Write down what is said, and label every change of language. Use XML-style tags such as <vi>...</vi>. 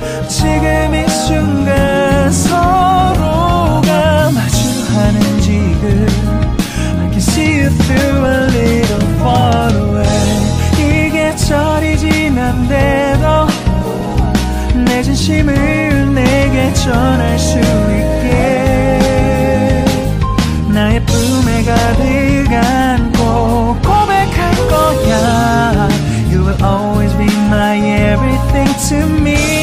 <ko>지금 이 순간 서로가 마주하는 지금.</ko> <en>I can see you through a little far away.</en> <ko>이 계절이 지난대도 내 진심을 내게 전할 수 있게 나의 품에 가득 안고 고백할 거야.</ko> <en>You will always be my everything to me.</en>